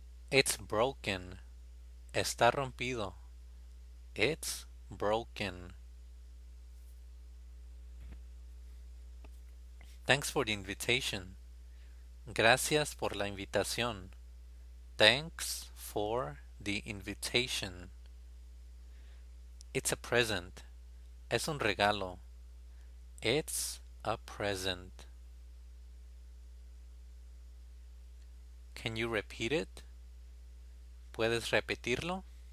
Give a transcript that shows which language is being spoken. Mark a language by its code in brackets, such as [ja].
[en] It's broken. [es] Está rompido. [en] It's broken. Thanks for the invitation. [es] Gracias por la invitación. [en] Thanks for the invitation. It's a present. [es] Es un regalo. [en] It's a present. Can you repeat it? [es] ¿Puedes repetirlo?